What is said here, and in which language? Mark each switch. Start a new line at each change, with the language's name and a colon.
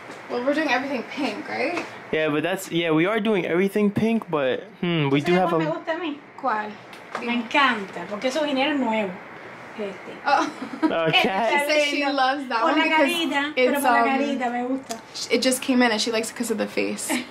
English: Well, we're doing everything pink, right? Yeah, but that's... Yeah, we are doing everything pink, but... we do have a...
Spanish: Me gusta a mí? ¿Cuál? Me encanta, porque eso viene el nuevo.
English: Okay. She says she loves that one because it's it just came in and she likes it because of the face.